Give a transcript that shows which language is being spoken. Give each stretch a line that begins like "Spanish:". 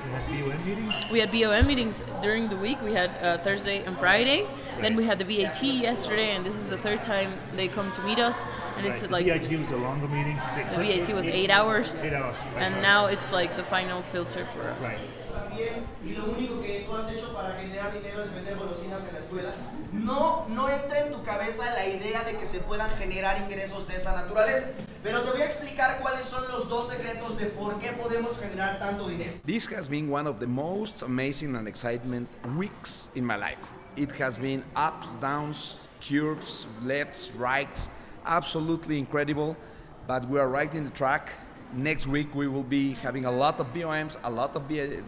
English: We had BOM meetings? We had BOM meetings during the week. We had Thursday and Friday. Right. Then we had the VAT yesterday, and this is the third time they come to meet us. And right. It's like the VAT was a longer meeting. The VAT was 8 hours. 8 hours. And now it's like the final filter for us. Right.
Spanish: Y lo único que tú has hecho para generar dinero es vender golosinas en la escuela. No entra en tu cabeza la idea de que se puedan generar ingresos de esa naturaleza. Pero te voy a explicar cuáles son los dos secretos de por qué podemos generar tanto dinero.
English: This has been one of the most amazing and excitement weeks in my life. It has been ups, downs, curves, lefts, rights, absolutely incredible. But we are right in the track. Next week we will be having a lot of BOMs, a lot of BAT.